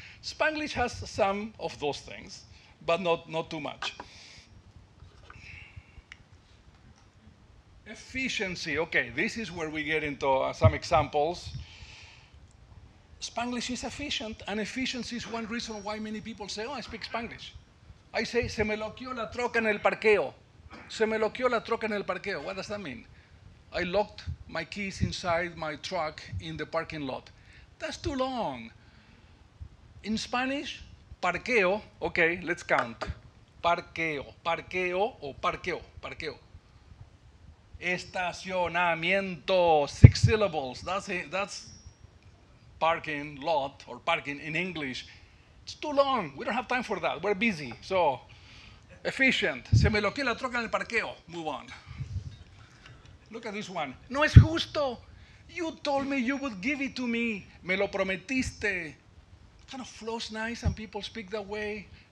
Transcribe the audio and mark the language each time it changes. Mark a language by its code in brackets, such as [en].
[en] Spanglish has some of those things, but not too much. Efficiency, okay, this is where we get into some examples. Spanglish is efficient, and efficiency is one reason why many people say, oh, I speak Spanglish. I say, [es] se me loqueó la troca en el parqueo. Se me loqueó la troca en el parqueo. [en] What does that mean? I locked my keys inside my truck in the parking lot. That's too long. In Spanish, parqueo, okay, let's count. [es] Parqueo, parqueo, or parqueo, parqueo. Estacionamiento, [en] six syllables. That's parking lot or parking in English. It's too long. We don't have time for that. We're busy. So, efficient. [es] Se me loqueó la troca en el parqueo. [en] Move on. Look at this one. [es] No es justo. [en] You told me you would give it to me. [es] Me lo prometiste. [en] Kind of flows nice and people speak that way.